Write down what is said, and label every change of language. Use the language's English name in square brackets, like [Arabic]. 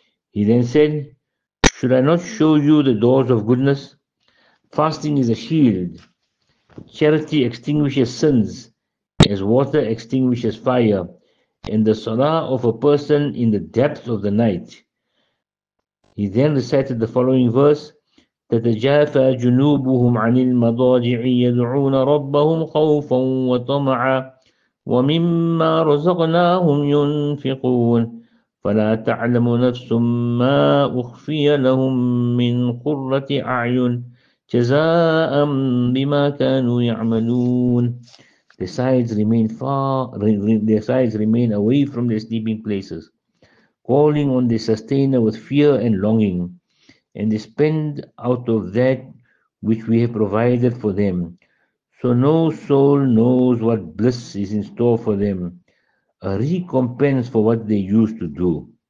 [English] He then said, "Should I not show you the doors of goodness? Fasting is a shield. Charity extinguishes sins as water extinguishes fire. And the salah of a person in the depth of the night." He then recited the following verse, [Arabic] "تَتَجَافَى جُنُوبُهُمْ عَنِ الْمَضَاجِعِ يَدْعُونَ رَبَّهُمْ خَوْفًا وَطَمَعًا وَمِمَّا رَزَقْنَاهُمْ يُنْفِقُونَ فَلَا تَعْلَمُ نَفْسٌ مَا أُخْفِيَ لَهُمْ مِنْ قُرَّةِ أَعْيُنٍ جَزَاءً بِمَا كَانُوا يَعْمَلُونَ." [English] Their sides remain away from their sleeping places, calling on the sustainer with fear and longing, and they spend out of that which we have provided for them. So no soul knows what bliss is in store for them, a recompense for what they used to do.